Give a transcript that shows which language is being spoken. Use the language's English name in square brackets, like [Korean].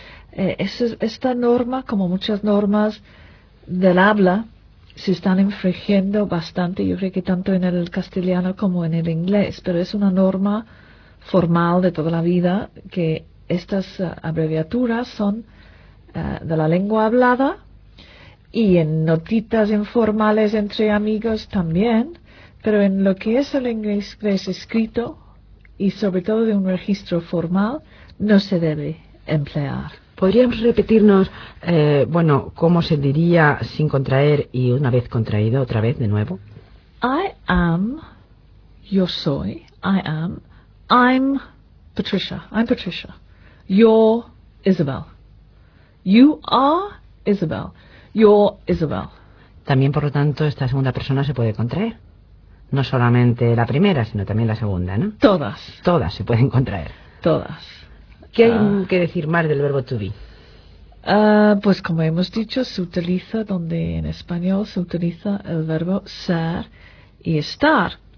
[Spanish] Esta norma, como muchas normas del habla, se están infringiendo bastante, yo creo que tanto en el castellano como en el inglés, pero es una norma formal de toda la vida que estas abreviaturas son de la lengua hablada y en notitas informales entre amigos también. Pero en lo que es el inglés escrito, y sobre todo de un registro formal, no se debe emplear. ¿Podríamos repetirnos, cómo se diría sin contraer y una vez contraído, otra vez, de nuevo? [English] I am, yo soy, I am, I'm Patricia, you're Isabel, you are Isabel, you're Isabel. [Spanish] También, por lo tanto, esta segunda persona se puede contraer. No solamente la primera, sino también la segunda, ¿no? Todas. Todas se pueden contraer. Todas. ¿Qué hay que decir más del verbo to be? Pues como hemos dicho, se utiliza donde en español se utiliza el verbo ser y estar.